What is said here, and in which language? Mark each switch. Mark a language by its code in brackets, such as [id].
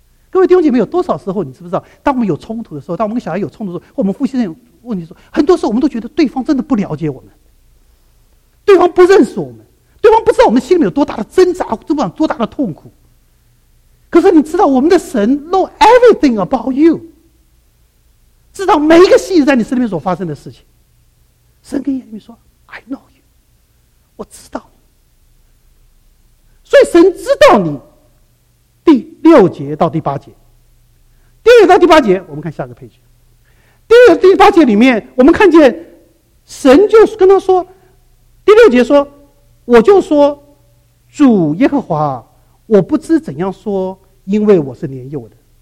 [zh] 各位弟兄姐妹，有多少时候你知不知道，当我们有冲突的时候，当我们跟小孩有冲突的时候，或我们夫妻有问题的时候，很多时候我们都觉得对方真的不了解我们，对方不认识我们，对方不知道我们心里面有多大的挣扎，知不知道多大的痛苦。可是你知道，我们的神 [en] know everything about you， [zh] 知道每一个细节在你身边所发生的事情。神跟耶利米说 [en] I know you， [zh] 我知道你。所以神知道你，第六节到第八节，第六到第八节，我们看下个配置。第六第八节里面，我们看见神就跟他说，第六节说，我就说，主耶和华，我不知怎样说，因为我是年幼的。